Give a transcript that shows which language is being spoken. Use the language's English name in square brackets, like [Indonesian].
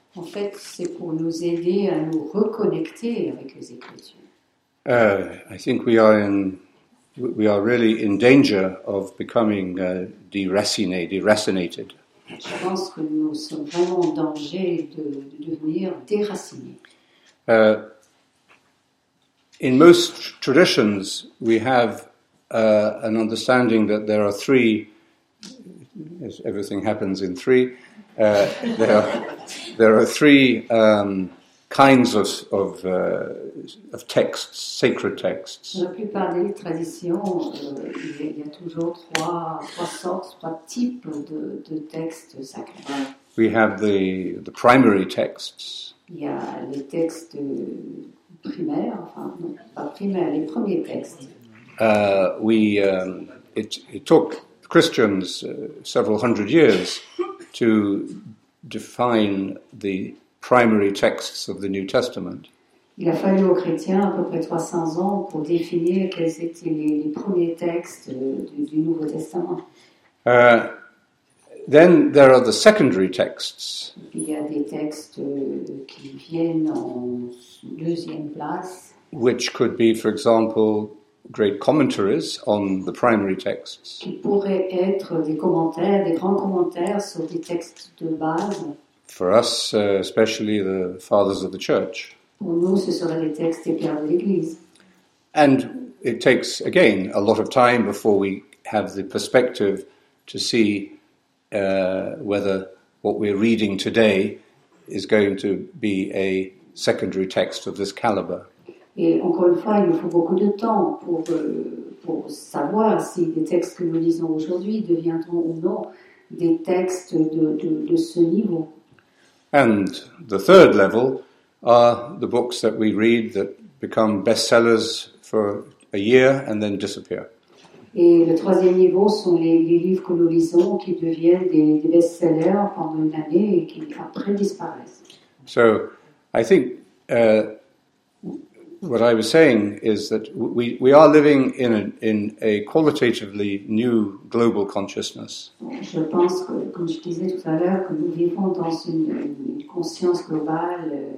[French] En fait, c'est pour nous aider à nous reconnecter avec les écritures. [English] I think we are really in danger of becoming deracinated. [French] Je pense que nous sommes vraiment en danger de devenir déracinés. [English] In most traditions, we have an understanding that there are three. Everything happens in three. There are three kinds of texts, sacred texts. [French] La plupart des traditions, il y a toujours trois types de textes sacrés. [English] We have the primary texts. [French] Il y a les textes primaires, les premiers textes. [English] It took Christians several hundred years to define the primary texts of the New Testament. [French] Il a fallu aux chrétiens à peu près 300 ans pour définir quels étaient les premiers textes du Nouveau Testament. [English] Then there are the secondary texts. [French] Il y a des textes qui viennent en deuxième place. [English] Which could be, for example, great commentaries on the primary texts. [French] Qui pourraient être des commentaires, des grands commentaires sur des textes de base. [English] For us, especially the fathers of the church. [French] Pour nous, ce seraient les textes des pères de l'Église. [English] And it takes, again, a lot of time before we have the perspective to see whether what we're reading today is going to be a secondary text of this caliber. [French] Et encore une fois, il nous faut beaucoup de temps pour, pour savoir si les textes que nous lisons aujourd'hui deviendront ou non des textes de ce niveau. [English] And the third level are the books that we read that become bestsellers for a year and then disappear. [French] Et le troisième niveau sont les livres que nous lisons qui deviennent des best-sellers pendant une année et qui après disparaissent. [English] So, I think what I was saying is that we are living in a qualitatively new global consciousness. [French] Je pense que, comme je disais tout à l'heure, que nous vivons dans une conscience globale.